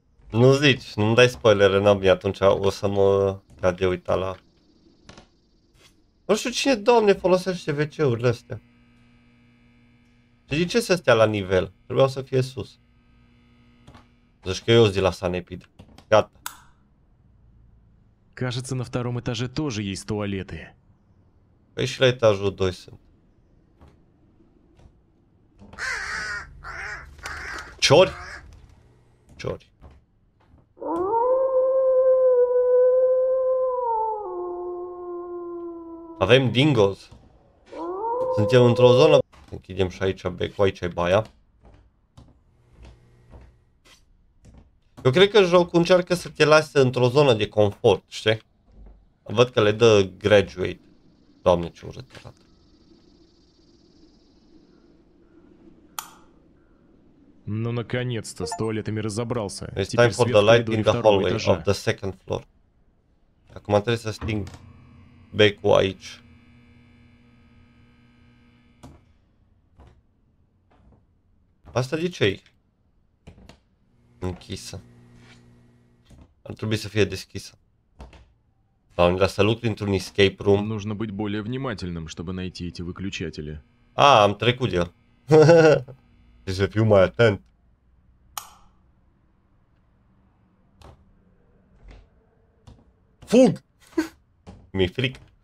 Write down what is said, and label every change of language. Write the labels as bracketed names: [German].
[Romanian] Nu zici, nu-mi dai spoilere, n-am bine, atunci o să mă cad de uita la... Nu știu cine, doamne, folosește WC-urile astea. Și de ce să stea la nivel? Trebuiau să fie sus. Zici că eu sunt de la Sanepid. Gata. [Russian] Кажется, на втором этаже тоже есть туалеты. [Romanian] Păi și la etajul 2 sunt. Ciori? Ciori. Avem dingos. Suntem într-o zonă. Închidem și aici becul, aici e baia. Eu cred că jocul încearcă să te lase într-o zonă de confort, știi? Văd că le dă graduate. Doamne, ce urât arată. [Russian] Ну наконец-то, с туалетами разобрался. [English] It's time for the light in the hallway of the second floor. [Romanian] Acum trebuie să sting becul aici. Asta de ce-i închisă? Ar trebui să fie deschisă. Sau da, să lucrezi într-un escape room. [Russian] Нужно быть более внимательным, чтобы найти эти выключатели. [Romanian] A, am trecut el. Trebuie să fiu mai atent. Фуг! Мифрик.